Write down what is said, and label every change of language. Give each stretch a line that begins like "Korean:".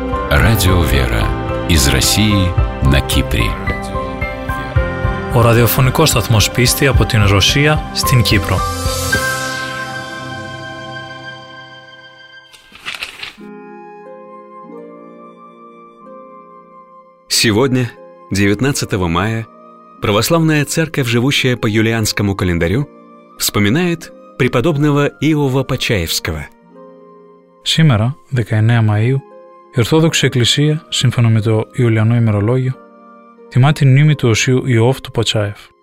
Russian: Радио Вера из России на Кипре.
Greek: Ο ραδιοφωνικός σταθμός πίστη από την Ρωσία στην Κύπρο.
Russian: Сегодня, 19 мая, православная церковь, живущая по юлианскому календарю, вспоминает преподобного Иова Почаевского.
Greek: Σήμερα, 19 Μαΐου, η Ορθόδοξη Εκκλησία, σύμφωνα με το Ιουλιανό ημερολόγιο, τιμά την μνήμη του Οσίου Ιώβ του Ποτσάεφ.